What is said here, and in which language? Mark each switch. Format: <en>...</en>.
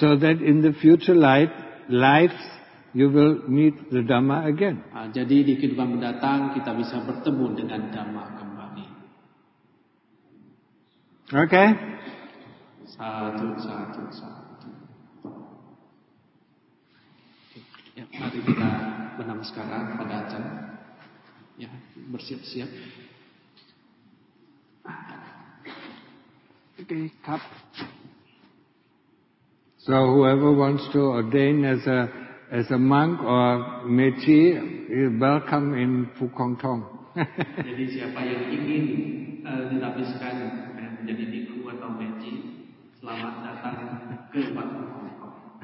<en>So that in the future lives you will meet the Dhamma again.</en> <id>Jadi di kehidupan mendatang kita bisa bertemu dengan Dhamma kembali.</id> <en>Okay.</en> <id>Satu, satu, satu. Ya, mari kita menama sekarang pada Achan. Ya, bersiap-siap.</id> <en>Okay, cup. So whoever wants to ordain as a monk or meti is welcome in Phukong Thong.</en> <id>Jadi siapa yang ingin dilapiskan menjadi biku atau meti, selamat datang ke Phukong Thong.</id>